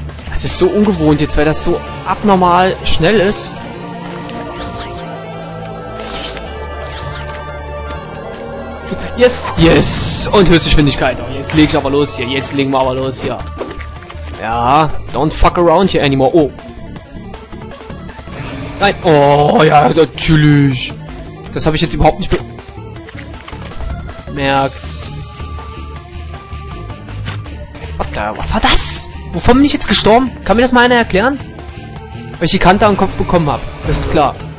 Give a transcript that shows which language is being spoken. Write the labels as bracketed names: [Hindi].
[German] Das ist so ungewohnt jetzt, weil das so abnormal schnell ist. [English] Yes, yes, [German] und höchste Geschwindigkeit. Oh, jetzt leg ich aber los hier, jetzt legen wir aber los hier. [English] Ja, don't fuck around here anymore. Oh. [German] Nein, oh ja, natürlich. Das habe ich jetzt überhaupt nicht bemerkt. [English] What the, [German] was war das? Wovon bin ich jetzt gestorben? Kann mir das mal einer erklären? Weil ich die Kante am Kopf bekommen habe, das ist klar.